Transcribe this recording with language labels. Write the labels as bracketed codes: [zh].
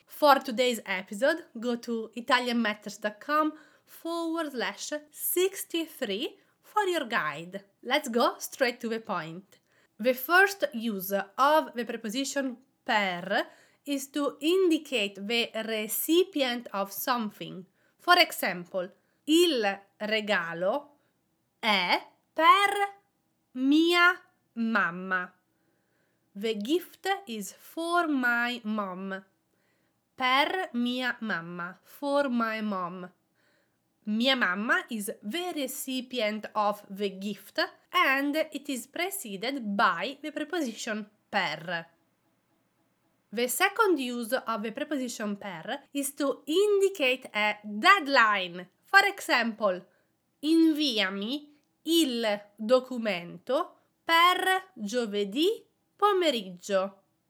[en] For today's episode, go to italianmatters.com/63 for your guide. Let's go straight to the point. The first use of the preposition per is to indicate the recipient of something. For example, [it] il regalo è per mia mamma. [en] The gift is for my mom. [it] Per mia mamma, [en] for my mom. [it] Mia mamma [en] is the recipient of the gift and it is preceded by the preposition per. The second use of the preposition per is to indicate a deadline. For example, [it] inviami il documento per giovedì pomeriggio.